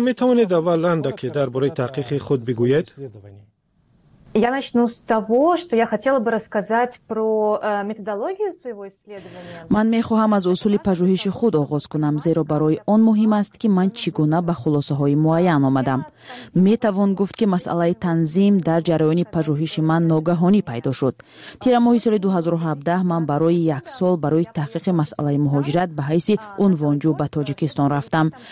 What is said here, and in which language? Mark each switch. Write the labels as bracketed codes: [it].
[fa] میتوانید اولا که در باره تحقیق خود بگوید؟ [ru] Я начну с того, что я хотела бы рассказать про методологию своего исследования. [tg] Ман мехоҳам аз усули пажуҳиши худ оғоз кунам, зеро барои он муҳим аст ки ман чӣ гуна ба хулосаҳои муайян омадам. Метавон гуфт ки масъалаи танзим дар ҷараёни пажуҳиши ман ногаҳонӣ пайдо шуд. Тира моҳи соли 2017 ман барои як сол барои таҳқиқи масъалаи муҳоҷират ба ҳайси унвонҷӯ ба Тоҷикистон рафтам.